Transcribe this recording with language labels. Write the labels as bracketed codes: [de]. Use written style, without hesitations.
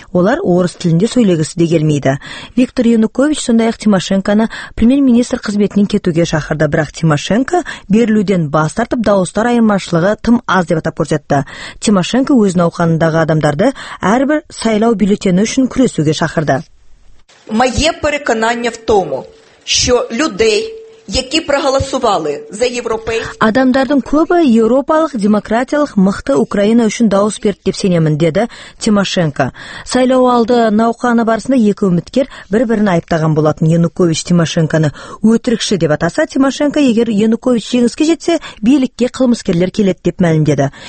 [kk] Олар орыс тілінде сөйлегісі де келмейді. Виктор Янукович сондай-ақ Тимошенконы премьер-министр қызметінен кетуге шақырды, бірақ Тимошенко берілуден бас тартып, дауыстар айырмашылығы тым аз деп атап көрсетті. Тимошенко өз науқанындағы адамдарды әрбір сайлау бюллетені үшін күресуге шақырды. [uk] Мое переконання в тому, що людей, які проголосували за європейські. [kk] Адамдардың көбі Европалық, демократиялық, мықты Украина үшін дауыс берді деп сенемін, деді Тимошенко. Сайлау алды науқаны барысында екі үміткер бір-бірін айыптаған болатын. Янукович Тимошенконы өтірікші деп атаса, Тимошенко егер Янукович жеңіске жетсе, билікке қылмыскерлер келеді деп мәлімдеді.